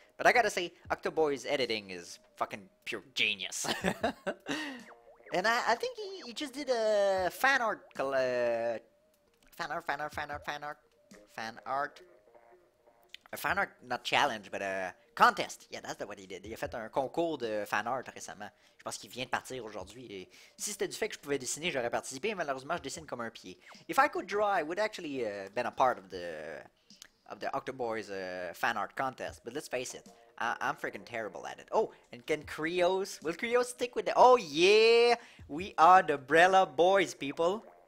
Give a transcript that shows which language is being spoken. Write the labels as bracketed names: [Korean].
[English] But I gotta say, Octoboy's editing is fucking pure genius. And I think he just did a fan art, contest. Yeah, that's the what he did. [French] Il a fait un concours de fan art récemment. Je pense qu'il vient de partir aujourd'hui. Et si c'était du fait que je pouvais dessiner, j'aurais participé. Malheureusement, je dessine comme un pied. [English] If I could draw, I would actually been a part of the Octoboy's fan art contest. But let's face it, I'm freaking terrible at it. Oh, and can Krios? Will Krios stick with the? Oh yeah, we are the Brella boys, people.